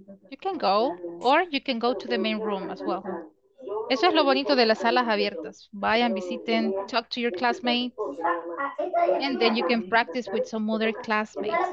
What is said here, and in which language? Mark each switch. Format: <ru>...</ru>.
<en>You can go, or you can go to the main room as well.</en> <es>Eso es lo bonito de las salas abiertas. Vayan, visiten,</es> <en>talk to your classmates, and then you can practice with some other classmates.</en>